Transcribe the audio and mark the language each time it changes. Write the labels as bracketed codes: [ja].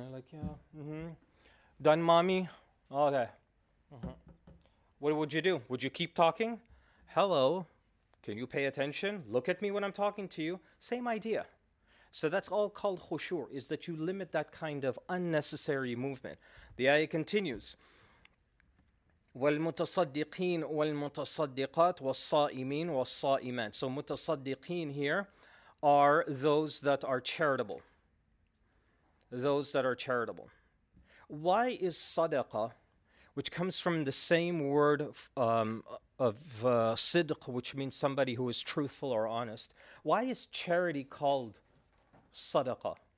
[en] I'm like, yeah, Done, mommy? Okay. What would you do? Would you keep talking? Hello, can you pay attention? Look at me when I'm talking to you. Same idea. So that's all called khushu', is that you limit that kind of unnecessary movement. The ayah continues. [ar] والمتصدقين والمتصدقات والصائمين والصائمات. [en] So متصدقين here are those that are charitable. Those that are charitable. Why is sadaqa, which comes from the same word of sidq, which means somebody who is truthful or honest, why is charity called sadaqa?